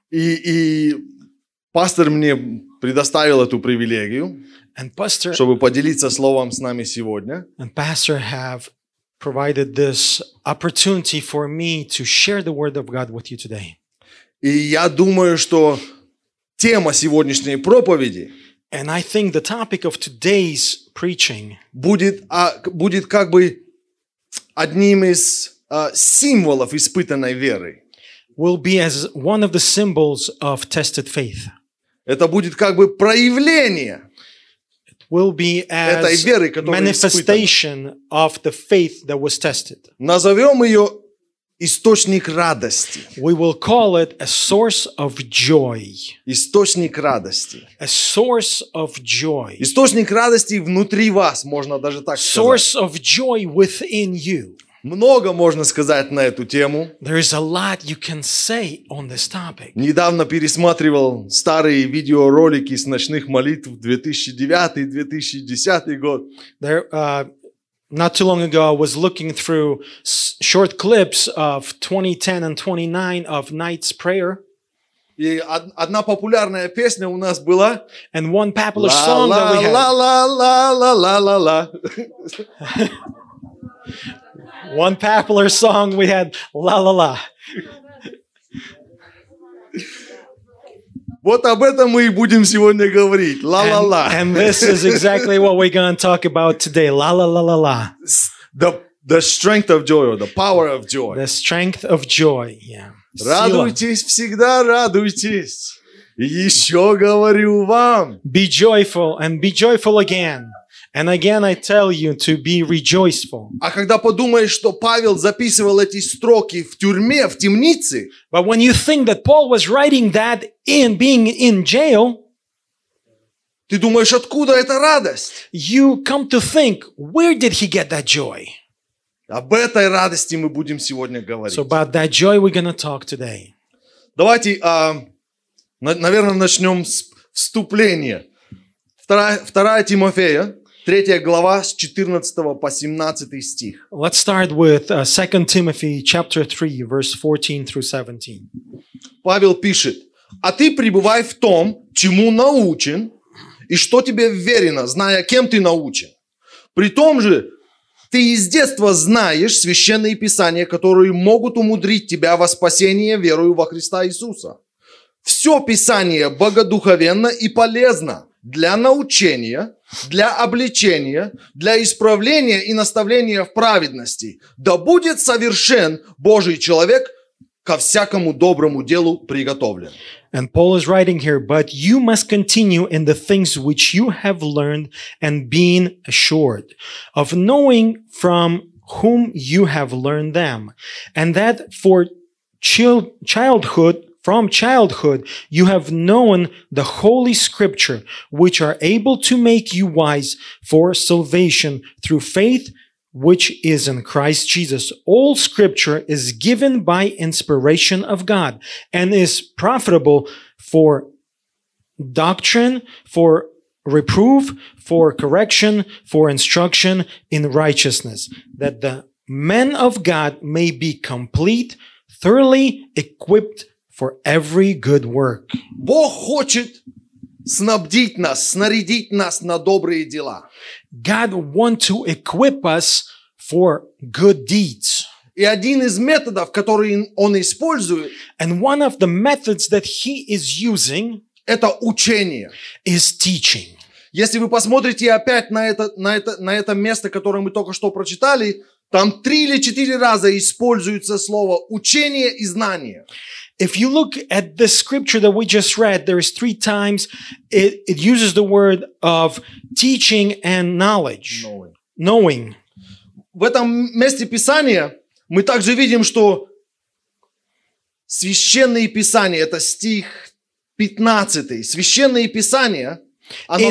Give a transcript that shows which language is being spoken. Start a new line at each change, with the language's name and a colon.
Russian: И пастор мне предоставил эту привилегию,
English: and pastor,
Russian: чтобы поделиться словом с нами сегодня.
English: And pastor have provided this opportunity for me to share the word of God with you today.
Russian: И я думаю, что тема сегодняшней проповеди,
English: and I think the topic of today's preaching,
Russian: будет как бы одним из символов испытанной веры.
English: Will be as one of the symbols of tested faith.
Russian: Это будет как бы проявление.
English: It will be as
Russian: этой веры, которая
English: manifestation
Russian: испытана.
English: Of the faith that was tested.
Russian: Назовем ее источник радости.
English: We will call it a source of joy.
Russian: Источник радости.
English: A source of joy.
Russian: Источник радости внутри вас, можно даже так сказать.
English: Source of joy within you.
Russian: Много можно сказать на эту тему.
English: There is a lot you can say on this topic.
Russian: Недавно пересматривал старые видеоролики с ночных молитв 2009-2010 год.
English: There, not too long ago, I was looking through short clips of 2010 and 2009 of Night's Prayer.
Russian: И одна популярная песня у нас была.
English: And one popular song that we had. La la la la la la la. One popular song we had, la la la.
Russian: Вот об этом мы и будем сегодня говорить, la la la.
English: And this is exactly what we're going to talk about today, la la la la la. The strength of joy, or the power of joy. The strength of joy, yeah.
Russian: Радуйтесь, всегда радуйтесь. Еще говорю вам.
English: Be joyful and be joyful again. And again, I tell you to be rejoiceful.
Russian: А когда подумаешь, что Павел записывал эти строки в тюрьме, в темнице,
English: but when you think that Paul was writing that in being in jail,
Russian: ты думаешь, откуда эта радость?
English: You come to think, where did he get that joy?
Russian: Об этой радости мы будем сегодня говорить.
English: So about that joy we're going to talk today.
Russian: Давайте, наверное, начнем с вступления. Вторая Тимофея. Третья глава с 14 по 17 стих.
English: Let's start with 2 Timothy chapter 3, verse 14 through 17.
Russian: Павел пишет: «А ты пребывай в том, чему научен, и что тебе вверено, зная, кем ты научен. При том же, ты из детства знаешь священные писания, которые могут умудрить тебя во спасение верою во Христа Иисуса. Все писание богодуховенно и полезно для научения, для обличения, для исправления и наставления в праведности, да будет совершен Божий человек ко всякому доброму делу приготовлен».
English: And Paul is writing here, but you must continue in the things which you have learned and been assured of, knowing from whom you have learned them, and that for childhood from childhood you have known the Holy Scripture, which are able to make you wise for salvation through faith, which is in Christ Jesus. All Scripture is given by inspiration of God and is profitable for doctrine, for reproof, for correction, for instruction in righteousness, that the man of God may be complete, thoroughly equipped for every good work.
Russian: Бог хочет снабдить нас, снарядить нас на добрые дела.
English: God want to equip us for good deeds.
Russian: И один из методов, который он использует,
English: and one of the methods that he is using,
Russian: это учение,
English: is teaching.
Russian: Если вы посмотрите опять на это место, которое мы только что прочитали, там три или четыре раза используется слово учение и знание.
English: If you look at the scripture that we just read, there is three times it uses the word of teaching and knowledge. Knowing.
Russian: В этом месте Писания мы также видим, что священные писания, это стих 15, священные писания, оно